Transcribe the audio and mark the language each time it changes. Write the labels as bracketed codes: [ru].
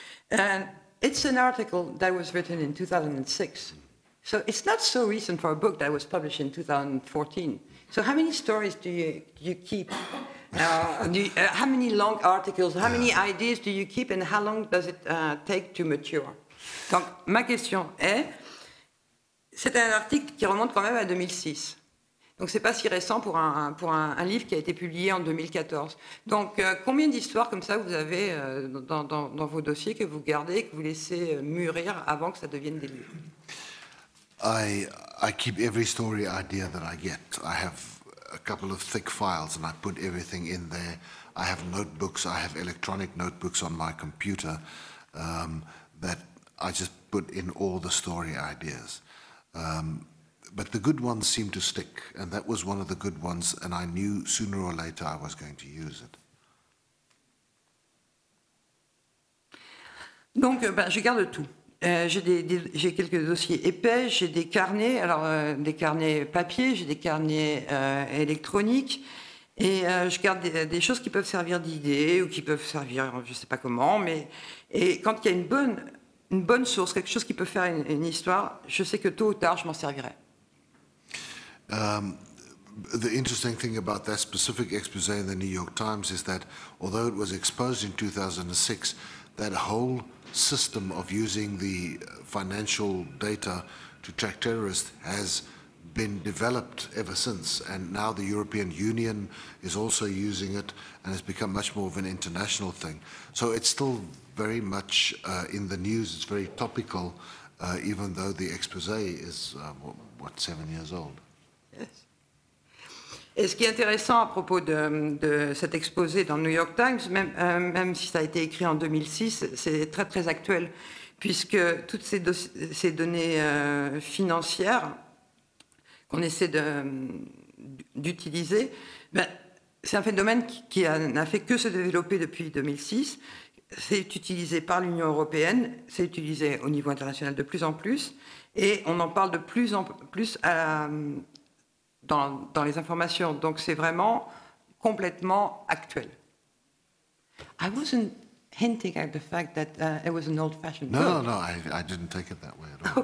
[en] And it's an article that was written in 2006. So it's not so recent for a book that was published in 2014. So how many stories do you keep? How many long articles, how many ideas do you keep and how long does it take to mature? [fr] Donc, ma question est, c'est un article qui remonte quand même à 2006. Donc, ce n'est pas si récent pour un livre qui a été publié en 2014. Donc, combien d'histoires comme ça vous avez dans vos dossiers que vous gardez et que vous laissez mûrir avant que ça devienne des livres? [en] I keep every story idea that I get. I have a couple of thick files and I put everything in there. I have notebooks, I have electronic notebooks on my computer that I just put in all the story ideas. But the good ones seem to stick, and that was one of the good ones, and I knew sooner or later I was going to use it. [fr] Donc, je garde tout. J'ai quelques dossiers épais, j'ai des carnets, alors des carnets papier, j'ai des carnets électroniques, et je garde des choses qui peuvent servir d'idées ou qui peuvent servir, je ne sais pas comment, mais et quand il y a une bonne source, quelque chose qui peut faire une histoire, je sais que tôt ou tard, je m'en servirai. [en] The interesting thing about that specific exposé in the New York Times is that although it was exposed in 2006, that whole system of using the financial data to track terrorists has been developed ever since, and now the European Union is also using it and has become much more of an international thing. So it's still very much in the news, it's very topical, even though the exposé is, 7 years old. [fr] Et ce qui est intéressant à propos de cet exposé dans le New York Times, même si ça a été écrit en 2006, c'est très très actuel, puisque toutes ces données financières qu'on essaie d'utiliser, ben, c'est un phénomène qui n'a fait que se développer depuis 2006. c'est utilisé par l'Union européenne, c'est utilisé au niveau international de plus en plus, et on en parle de plus en plus dans les informations. Donc c'est vraiment complètement actuel. [en] I wasn't hinting at the fact that it was an old-fashioned book. No, I didn't take it that way at all.